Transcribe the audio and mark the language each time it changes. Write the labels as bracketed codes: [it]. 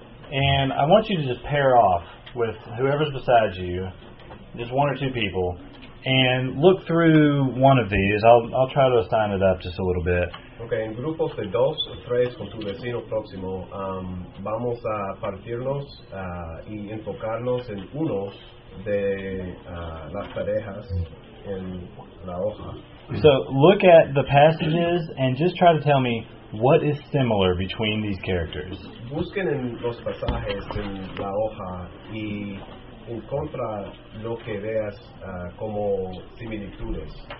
[en] And I want you to just pair off with whoever's beside you. Just one or two people, and look through one of these. I'll try to assign it up just a little bit. [es] Okay, en grupos de dos o tres con tu vecino próximo, vamos a partirnos y enfocarnos en uno de las parejas en la hoja. [en] So look at the passages and just try to tell me what is similar between these characters. [es] Busquen en los pasajes en la hoja y en contra lo que veas como similitudes.